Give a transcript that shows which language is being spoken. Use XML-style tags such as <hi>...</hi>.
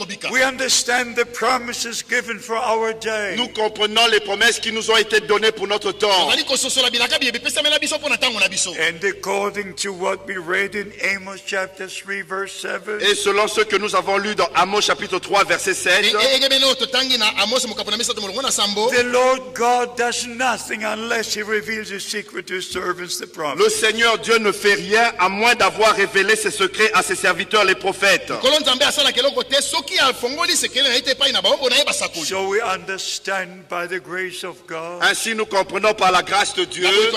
<en>We understand the promises given for our day.</en> <fr>Nous comprenons les promesses qui nous ont été données pour notre temps.</fr> <en>And according to what we read in Amos chapter 3 verse 7,</en> <fr>et selon ce que nous avons lu dans Amos chapitre 3 verset 7,</fr> <en>the Lord God does nothing unless he reveals his secret to his servants the prophets.</en> <fr>Le Seigneur Dieu ne fait rien à moins d'avoir révélé ses secrets à ses serviteurs les prophètes.</fr> <en>So we understand by the grace of God.</en> <fr>Ainsi nous comprenons par la grâce de Dieu.</fr>